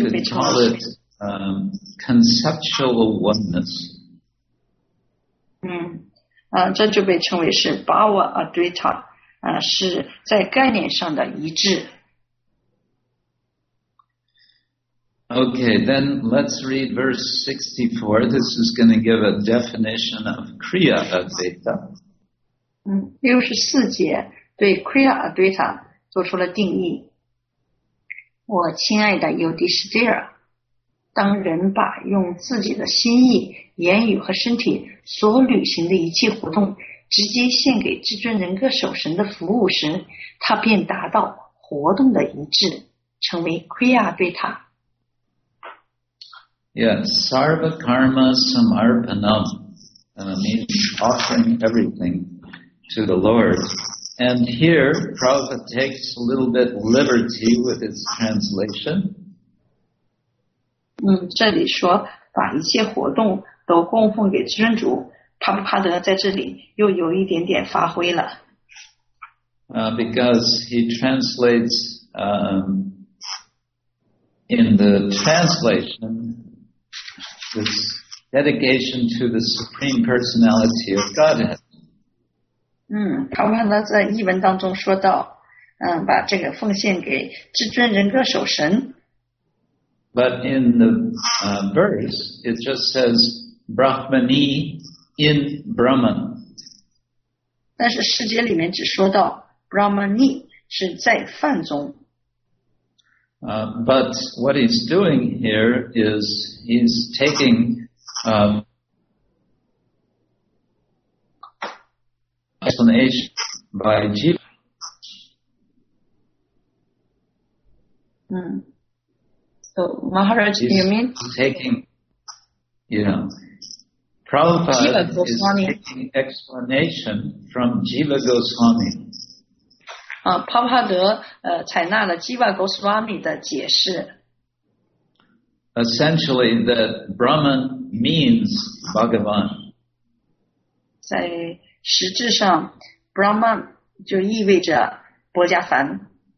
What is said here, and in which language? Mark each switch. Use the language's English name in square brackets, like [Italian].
[English] call it conceptual oneness. [Chinese] 这就被称为是 bhava adwaita, 是在概念上的一致。 [English] Okay, then let's read verse 64. This is going to give a definition of Kriya Advaita. [Chinese] 64节对 Kriya Advaita 做出了定义。我亲爱的 Yudhishthira, 当人把用自己的心意、言语和身体所履行的一切活动直接献给至尊人格守神的服务时，他便达到活动的一致，成为 Kriya Advaita。 [English] Yes, sarva karma samarpanam means offering everything to the Lord. And here, Prabhupada takes a little bit liberty with its translation. [Chinese] 这里说把一切活动都供奉给至尊主，帕布帕德在这里又有一点点发挥了。 [English] Because he translates in the translation. This dedication to the Supreme Personality of Godhead. [Chinese] 他们呢在译文当中说到，把这个奉献给至尊人格守神。 [English] But in the verse, it just says Brahmani in Brahman. [Chinese] 但是诗节里面只说到 Brahmani 是在梵中。 [English] But what he's doing here is he's taking explanation by Jiva. 嗯 ，So Maharaj, you mean taking, you know, Prabhupada is taking explanation from Jiva Goswami. [Chinese] 帕帕德采纳了 Jiva Goswami 的解释。 [English] Essentially, that Brahman means Bhagavan. [Chinese] 在实质上 ,Brahman 就意味着波迦梵。